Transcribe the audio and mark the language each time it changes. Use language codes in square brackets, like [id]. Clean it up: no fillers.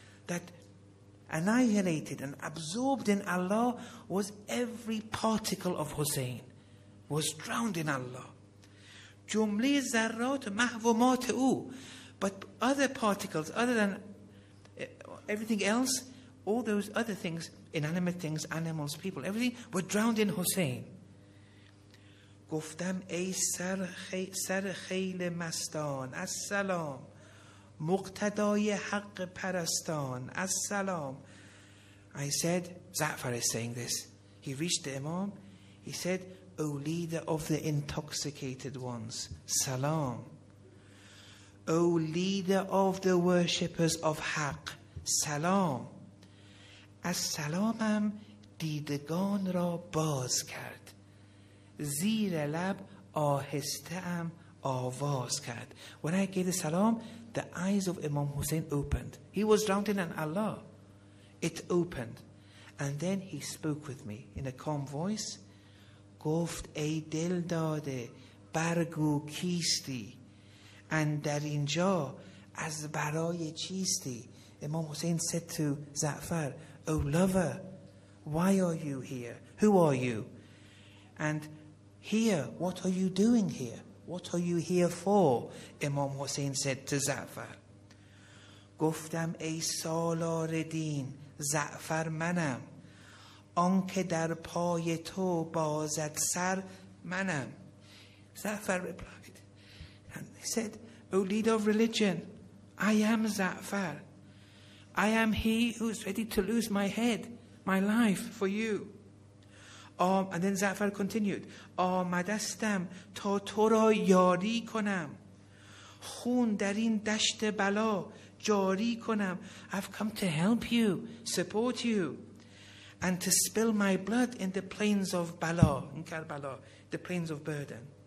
[en] That annihilated and absorbed in Allah was every particle of Hussein, was drowned in Allah. [fa] جمله ذرات محو و مات او. [en] But other particles, other than everything else, all those other things, inanimate things, animals, people, everything, were drowned in Hussein. [fa] گفتم ای سر خیلی مستان، السلام، مقتدای حق پرستان، السلام. [en] I said, Za'far is saying this. He reached the Imam. He said, O leader of the intoxicated ones, salam. O leader of the worshippers of Haq, salam. [fa] از سلامم دیدگان را باز کرد، زیر لب آهسته ام آواز کرد. [en] When I gave the salam, the eyes of Imam Hussein opened. He was drowned in Allah. It opened. And then he spoke with me in a calm voice. [fa] گفت ای دل داده برگو کیستی، اندر اینجا از برای چیستی. [en] Imam Hussein said to Za'far, O lover, why are you here? Who are you? And here, what are you doing here? What are you here for? Imam Hussein said to Za'far. [fa] گفتم ای سالار دین، زعفر منم، آن که در پای تو بازد سر منم. [en] Za'far replied, and he said, O leader of religion, I am Za'far. I am he who is ready to lose my head, my life, for you. And then Za'far continued, [fa] آمدستم تا تو را یاری کنم، خون در این دشت بلا جاری کنم. [en] I've come to help you, support you, and to spill my blood in the plains of bala, in Karbala, the plains of burden.